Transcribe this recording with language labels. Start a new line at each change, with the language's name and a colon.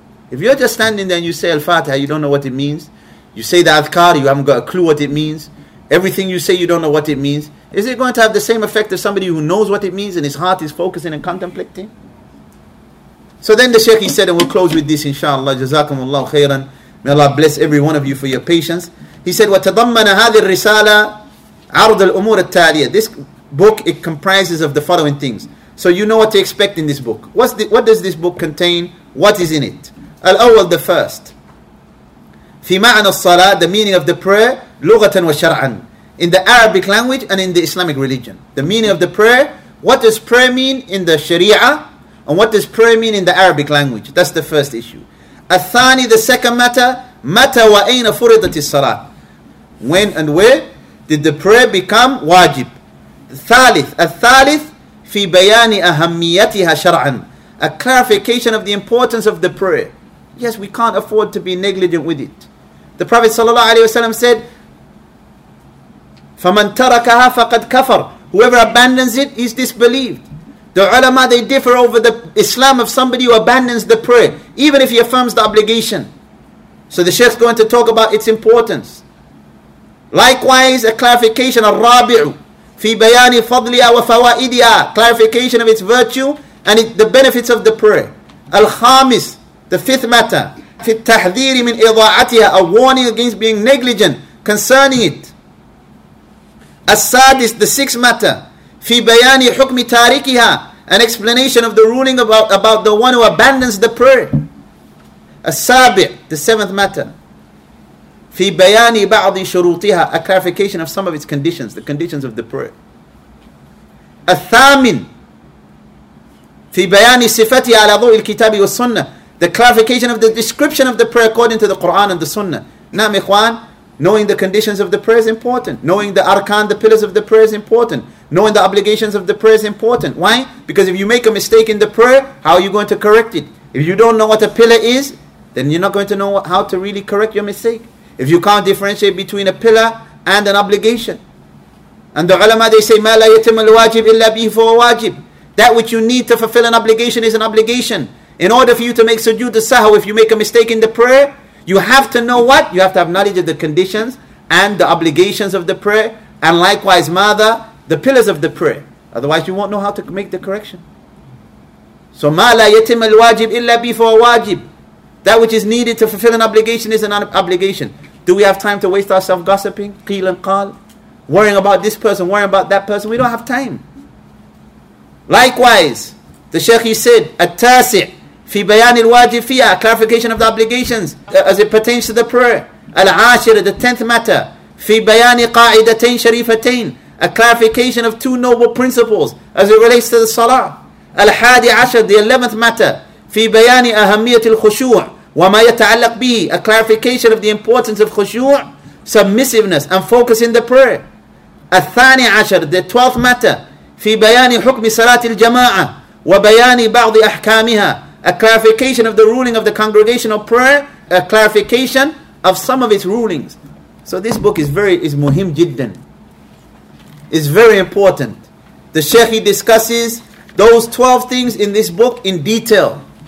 English: If you're just standing there and you say Al-Fatiha, you don't know what it means. You say the Adhkar, you haven't got a clue what it means. Everything you say, you don't know what it means. Is it going to have the same effect as somebody who knows what it means and his heart is focusing and contemplating? So then the Shaykh, he said, and we'll close with this inshallah, Jazakum Allah khairan. May Allah bless every one of you for your patience. He said,
Arabic: وَتَضَمَّنَ هَذِي الرِّسَالَةِ عَرْضَ الْأُمُورَ التَّالِيَةِ.
English: This book, it comprises of the following things. So you know what to expect in this book. What does this book contain? What is in it?
Arabic: الأول,
English: the first.
Arabic: في معنى الصلاة,
English: the meaning of the prayer,
Arabic: لغة وشرعا.
English: In the Arabic language and in the Islamic religion. The meaning of the prayer, what does prayer mean in the Sharia? And what does prayer mean in the Arabic language? That's the first issue.
Arabic: الثاني,
English: the second matter,
Arabic: متى وأين فرضت الصلاة.
English: When and where did the prayer become wajib?
Arabic: الثالث, في بيان أهميتها شرعا.
English: A clarification of the importance of the prayer. Yes, we can't afford to be negligent with it. The Prophet ﷺ said,
Arabic: فَمَنْ تَرَكَهَا فَقَدْ كَفَرْ.
English: Whoever abandons it is disbelieved. The ulama, they differ over the Islam of somebody who abandons the prayer, even if he affirms the obligation. So the Shaykh's going to talk about its importance. Likewise, a clarification,
Arabic: الرَّابِعُ فِي بَيَانِ فَضْلِهَا وَفَوَائِدِهَا.
English: Clarification of its virtue and the benefits of the prayer.
Arabic: الخامس,
English: the fifth matter,
Arabic: فِي التَّحْذِيرِ مِنْ إِضَاعَتِهَا.
English: A warning against being negligent concerning it.
Arabic: السادس,
English: the sixth matter,
Arabic: في بيان حكم تاركها.
English: An explanation of the ruling about the one who abandons the prayer.
Arabic: السابع,
English: the seventh matter,
Arabic: في بيان بعض شروطها.
English: A clarification of some of its conditions, the conditions of the prayer.
Arabic: الثامن, في بيان صفتها على ضوء الكتاب والسنة.
English: The clarification of the description of the prayer according to the Quran and the Sunnah.
Arabic: نعم إخوان,
English: knowing the conditions of the prayer is important. Knowing the arkan, the pillars of the prayer is important. Knowing the obligations of the prayer is important. Why? Because if you make a mistake in the prayer, how are you going to correct it? If you don't know what a pillar is, then you're not going to know how to really correct your mistake. If you can't differentiate between a pillar and an obligation. And the ulama, they say,
Arabic: مَا لَا يَتِمُ الْوَاجِبِ إِلَّا بِهِ فَوَوَاجِبِ.
English: That which you need to fulfill an obligation is an obligation. In order for you to make sujood as-sahw, if you make a mistake in the prayer, you have to know what? You have to have knowledge of the conditions and the obligations of the prayer. And likewise, mother, the pillars of the prayer. Otherwise, you won't know how to make the correction.
Arabic: So, مَا لَا يَتِمَ الْوَاجِبِ إِلَّا بِفَوَ وَاجِبِ.
English: That which is needed to fulfill an obligation is an obligation. Do we have time to waste ourselves gossiping?
Arabic: قِيلَ قَالَ.
English: Worrying about this person, worrying about that person. We don't have time. Likewise, the Shaykh, he said,
Arabic: التَّاسِعِ في بيان الواجب فيها,
English: clarification of the obligations as it pertains to the prayer.
Arabic: العاشر,
English: the tenth matter,
Arabic: في بيان قاعدتين شريفتين,
English: a clarification of two noble principles as it relates to the salah.
Arabic: الحادي عشر,
English: the 11th matter,
Arabic: في بيان أهمية الخشوع وما يتعلق به,
English: a clarification of the importance of خشوع, submissiveness and focus in the prayer.
Arabic: الثاني عشر,
English: the 12th matter,
Arabic: في بيان حكم صلاة الجماعة وبيان بعض أحكامها,
English: a clarification of the ruling of the congregational prayer, a clarification of some of its rulings. So this book is
Arabic: muhim jiddan.
English: It's very important. The Sheikh, he discusses those 12 things in this book in detail.